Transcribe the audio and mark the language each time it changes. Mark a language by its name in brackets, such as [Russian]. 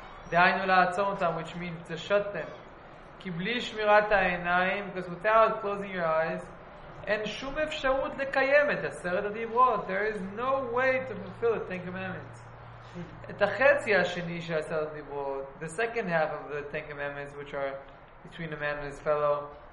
[Hebrew] דהיינו לעצור אותם, [English] which means to shut them. [Hebrew] כי בלי שמירת העיניים, [English] because without closing your eyes, [Hebrew] אין שום אפשרות לקיים את עשרת הדיברות. [English] There is no way to fulfill the Ten Commandments. [Hebrew] את החצי השני של עשרת הדיברות, [English] the second half of the Ten Commandments, which are between a man and his fellow.